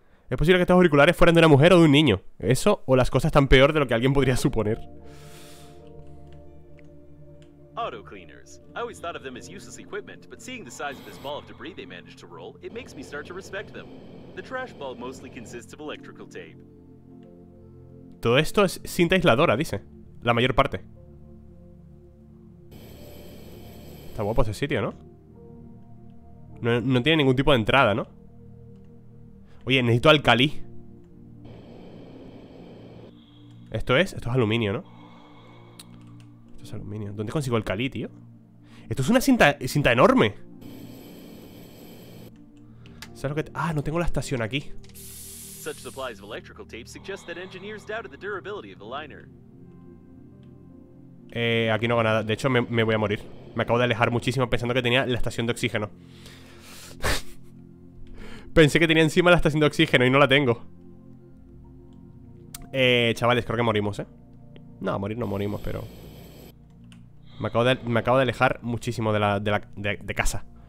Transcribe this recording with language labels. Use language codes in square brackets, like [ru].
[es] Es posible que estos auriculares fueran de una mujer o de un niño. Eso, o las cosas están peor de lo que alguien podría suponer. [en] Auto cleaners. I always thought of them as useless equipment, but seeing the size of this ball of debris they managed to roll, it makes me start to respect them. The trash ball mostly consists of electrical tape. [es] Todo esto es cinta aisladora, dice. La mayor parte. Está guapo ese sitio, ¿no? No, no tiene ningún tipo de entrada, ¿no? Oye, necesito alcalí. ¿Esto es? Esto es aluminio, ¿no? Esto es aluminio. ¿Dónde consigo alcalí, tío? Esto es una cinta enorme. ¿Sabes lo que...? Ah, no tengo la estación aquí. [en] Such supplies of electrical tape suggest that engineers doubted the durability of the liner. [es] Aquí no hago nada. De hecho, me voy a morir. Me acabo de alejar muchísimo pensando que tenía la estación de oxígeno. Pensé que tenía encima la estación de oxígeno y no la tengo. Chavales, creo que morimos, ¿eh? No, a morir no morimos, pero... Me acabo de alejar muchísimo de casa.